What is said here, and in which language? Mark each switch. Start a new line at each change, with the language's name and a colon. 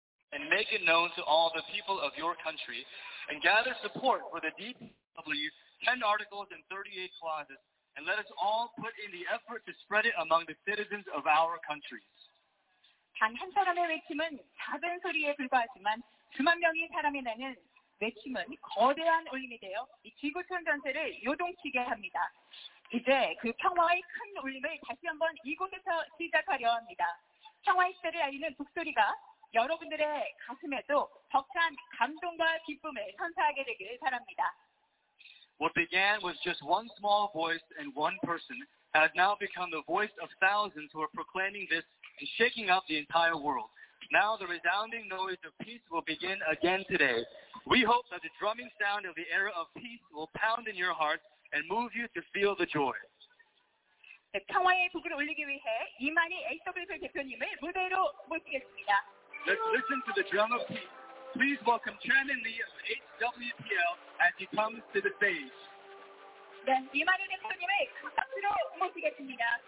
English: And make it known to all the people of your country and gather support for the DPW 10 articles and 38 clauses, and let us all put in the effort to spread it among the citizens of our countries.
Korean: 단 한 사람의 외침은 작은 소리에 불과하지만 수만 명의 사람이 내는 외침은 거대한 울림이 되어 이 지구촌 전체를 요동치게 합니다. 이제 그 평화의 큰 울림을 다시 한번 이곳에서 시작하려 합니다. 평화의 시대를 알리는 북소리가 여러분들의 가슴에도 벅찬 감동과 기쁨을 선사하게 되길 바랍니다.
English: What began was just one small voice and one person has now become the voice of thousands who are proclaiming this and shaking up the entire world. Now the resounding noise of peace will begin again today. We hope that the drumming sound of the era of peace will pound in your hearts and move you to feel the joy.
Korean: 평화의 북을 올리기 위해 이만희 HWPL 대표님을 무대로 모시겠습니다.
English: Let's listen to the drum of peace. Please welcome Chairman Lee of HWPL as he comes to the stage.
Korean: 네, 이만희 대표님을 박수로 모시겠습니다.